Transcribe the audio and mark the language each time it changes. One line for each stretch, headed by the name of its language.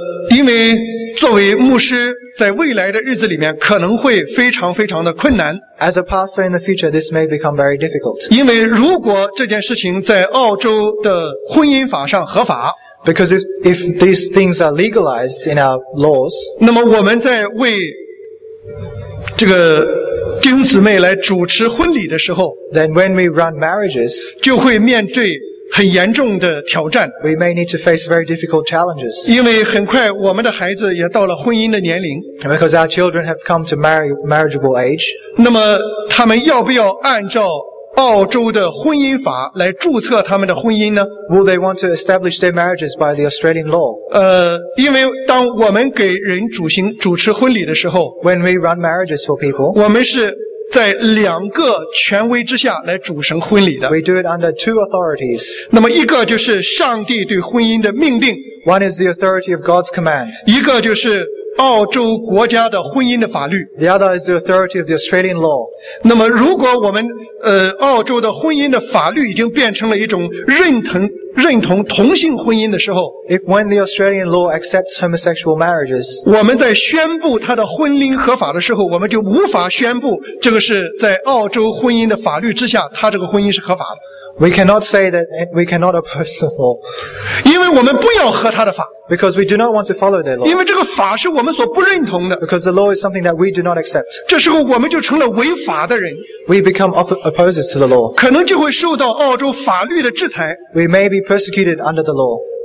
Chinese: 因为作为牧师，在未来的日子里面可能会非常非常的困难。
English: As a pastor in the future, this may become very difficult.
Chinese: 因为如果这件事情在澳洲的婚姻法上合法。
English: Because if these things are legalized in our laws.
Chinese: 那么我们在为这个弟兄姊妹来主持婚礼的时候，
English: Then when we run marriages,
Chinese: 就会面对很严重的挑战。
English: We may need to face very difficult challenges.
Chinese: 因为很快我们的孩子也到了婚姻的年龄。
English: Because our children have come to marriageable age.
Chinese: 那么他们要不要按照澳洲的婚姻法来注册他们的婚姻呢？
English: Will they want to establish their marriages by the Australian law?
Chinese: 因为当我们给人主持婚礼的时候，
English: When we run marriages for people,
Chinese: 我们是在两个权威之下来主持婚礼的。
English: We do it under two authorities.
Chinese: 那么一个就是上帝对婚姻的命令。
English: One is the authority of God's command.
Chinese: 一个就是澳洲国家的婚姻的法律。
English: The other is the authority of the Australian law.
Chinese: 那么如果我们澳洲的婚姻的法律已经变成了一种认同同性婚姻的时候，
English: If when the Australian law accepts homosexual marriages,
Chinese: 我们在宣布他的婚姻合法的时候，我们就无法宣布这个是在澳洲婚姻的法律之下，他这个婚姻是合法的。
English: We cannot say that we cannot oppose the law.
Chinese: 因为我们不要合他的法。
English: Because we do not want to follow their law.
Chinese: 因为这个法是我们所不认同的。
English: Because the law is something that we do not accept.
Chinese: 这时候我们就成了违法的人。
English: We become opposers to the law.
Chinese: 可能就会受到澳洲法律的制裁。
English: We may be persecuted under the law.